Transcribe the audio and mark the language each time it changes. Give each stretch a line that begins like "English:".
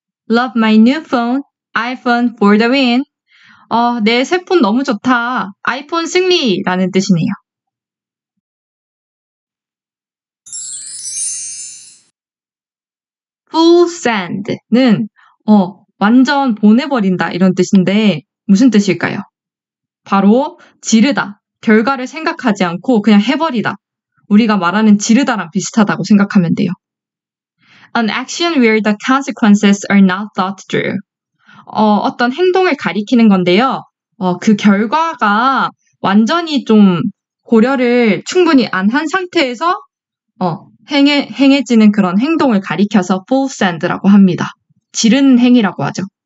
English: Love my new phone, iPhone for the win.
Korean: 내 새 폰 너무 좋다. 아이폰 승리 라는 뜻이네요. Full send는 완전 보내버린다 이런 뜻인데 무슨 뜻일까요? 바로 지르다, 결과를 생각하지 않고 그냥 해버리다. 우리가 말하는 지르다랑 비슷하다고 생각하면 돼요.
English: An action where the consequences are not thought through.
Korean: 어떤 행동을 가리키는 건데요. 그 결과가 완전히 좀 고려를 충분히 안 한 상태에서 행해지는 그런 행동을 가리켜서 full send라고 합니다. 지른 행위라고 하죠.